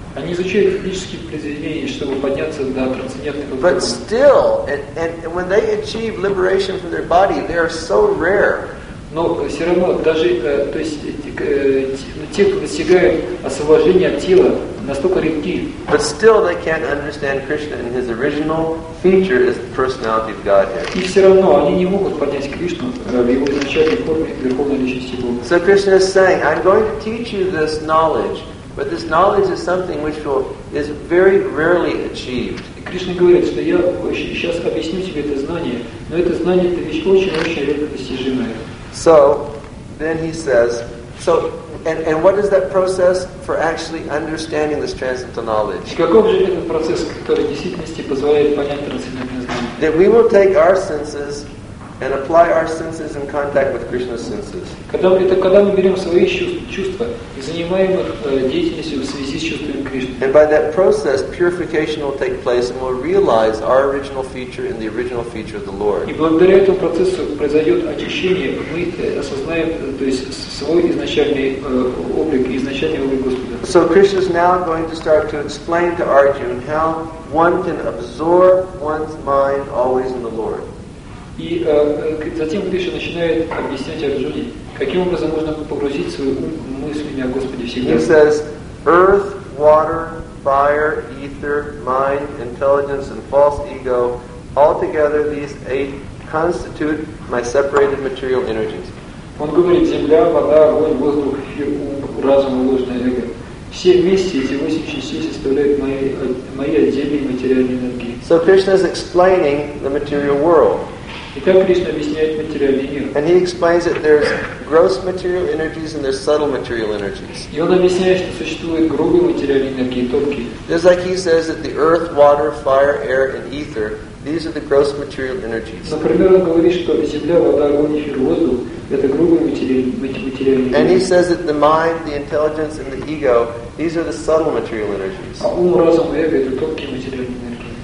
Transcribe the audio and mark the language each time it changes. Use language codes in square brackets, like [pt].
[ru] Они изучают ведические произведения, чтобы подняться до трансцендентного уровня. [en] But still, and when they achieve liberation from their body, they are so rare. [ru] Но все равно даже то есть те, кто достигает освобождения от тела, настолько редки. [en] But still they can't understand Krishna in his original feature as the personality of Godhead. [ru] И все равно они не могут понять Кришну в его изначальной форме верховной личности Бога. [en] So Krishna is saying, I'm going to teach you this knowledge, but this knowledge is something which will is very rarely achieved. [ru] И Кришна говорит, что я сейчас объясню тебе это знание, но это знание это вещь очень-очень редко достижимая. [en] So, then he says, so, and what is that process for actually understanding this transcendental knowledge? That we will take our senses and apply our senses in contact with Krishna's senses. And by that process, purification will take place and we'll realize our original feature in the original feature of the Lord. [ru] И благодаря этому процессу произойдет очищение, мы осознаем, то есть, свой изначальный облик, изначальный облик Господа. [en] So Krishna is now going to start to explain to Arjuna how one can absorb one's mind always in the Lord. [ru] И затем Кришна начинает объяснять Арджуне, каким образом можно погрузить свою мысль о Господе всегда. [en] He says, earth, water, fire, ether, mind, intelligence, and false ego, all together these eight constitute my separated material energies. [ru] Он говорит, земля, вода, огонь, воздух, разум и ложное эго. Все вместе эти восемь частей составляют мои отдельные материальные энергии. [en] So Krishna is explaining the material world. [ru] Итак, Кришна объясняет материальный мир. [en] And he explains that there's gross material energies and there's subtle material energies. [ru] И он объясняет, что существуют грубые материальные энергии, тонкие. [en] Just like he says that the earth, water, fire, air, and ether, these are the gross material energies. [ru] Например, он говорит, что земля, вода, огонь, эфир, воздух, это грубые материальные энергии. [en] And he says that the mind, the intelligence, and the ego, these are the subtle material energies. [ru] А ум, разум, эго, это тонкие материальные энергии.